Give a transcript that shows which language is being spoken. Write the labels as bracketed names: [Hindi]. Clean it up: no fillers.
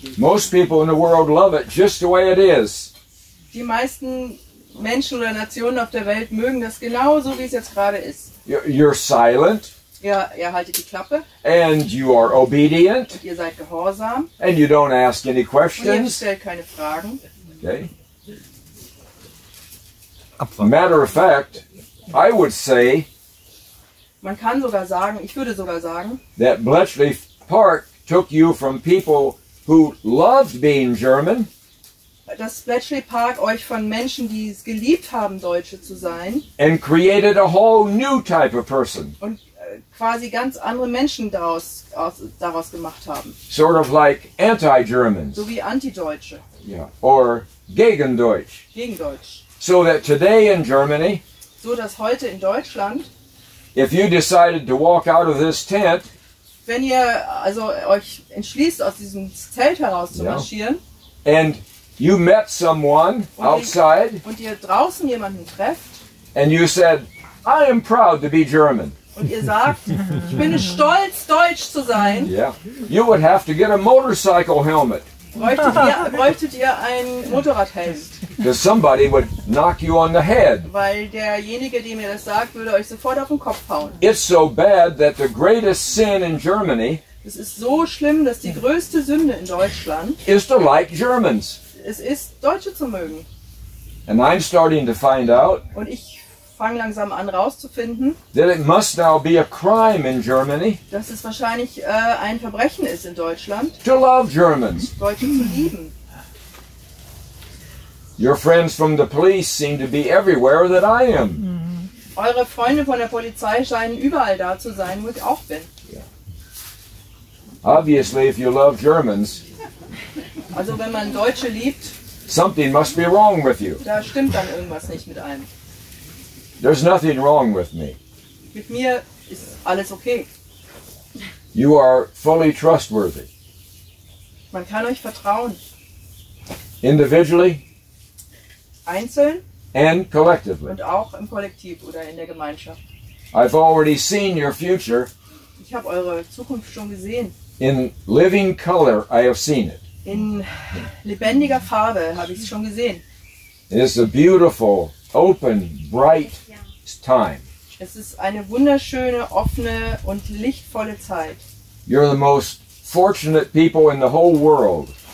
[English] Most people in the world love it just the way it is. [German] Die meisten Menschen oder Nationen auf der Welt mögen das genauso, wie es jetzt gerade ist. [English] You're silent. [German] Ja, ihr haltet die Klappe. [English] And you are obedient. [German] Und ihr seid gehorsam. [English] And you don't ask any questions. [German] Und ihr stellt keine Fragen. [English] Okay. Matter of fact, I would say, [German] man kann sogar sagen, ich würde sogar sagen, [English] that Bletchley Park took you from people who loved being German, [German] dass Bletchley Park euch von Menschen, die es geliebt haben, Deutsche zu sein, [English] and created a whole new type of person. [German] Und quasi ganz andere Menschen daraus gemacht haben. [English] Sort of like anti-Germans. [German] So wie Anti-Deutsche. [English] Yeah. Or Gegendeutsch. [German] Gegendeutsch. [English] So that today in Germany, [German] so dass heute in Deutschland, [English] if you decided to walk out of this tent, [German] wenn ihr also euch entschließt, aus diesem Zelt heraus zu marschieren, [English] and you met someone outside, [German] und ihr draußen jemanden trefft, [English] and you said, I am proud to be German. [German] Und ihr sagt, ich bin stolz, Deutsch zu sein. [English] Yeah. You would have to get a motorcycle helmet. [German] Bräuchtet ihr ein Motorradhelm? [English] Because somebody would knock you on the head. [German] Weil derjenige, dem ihr das sagt, würde euch sofort auf den Kopf hauen. [English] It's so bad that the greatest sin in Germany, [German] es ist so schlimm, dass die größte Sünde in Deutschland, [English] is to like Germans. [German] Es ist, Deutsche zu mögen. [English] And I'm starting to find out, [German] und ich fange langsam an rauszufinden, [English] that it must now be a crime in Germany, [German] dass es wahrscheinlich ein Verbrechen ist in Deutschland, [English] to love Germans. [German] Deutsche zu lieben. [English] Your friends from the police seem to be everywhere that I am. [German] Eure Freunde von der Polizei scheinen überall da zu sein, wo ich auch bin. [English] Obviously, if you love Germans, [German] Also wenn man Deutsche liebt, [English] something must be wrong with you. [German] Da stimmt dann irgendwas nicht mit einem. [English] There's nothing wrong with me. [German] Mit mir ist alles okay. [English] You are fully trustworthy. [German] Man kann euch vertrauen. [English] Individually. [German] Einzeln. [English] And collectively. [German] Und auch im Kollektiv oder in der Gemeinschaft. [English] I've already seen your future. [German] Ich habe eure Zukunft schon gesehen. [English] In living color, I have seen it. [German] In lebendiger Farbe habe ich es schon gesehen. [English] It is a beautiful, open, bright time. [German] Es ist eine wunderschöne, offene und lichtvolle Zeit. [English] You're the most fortunate people in the whole world.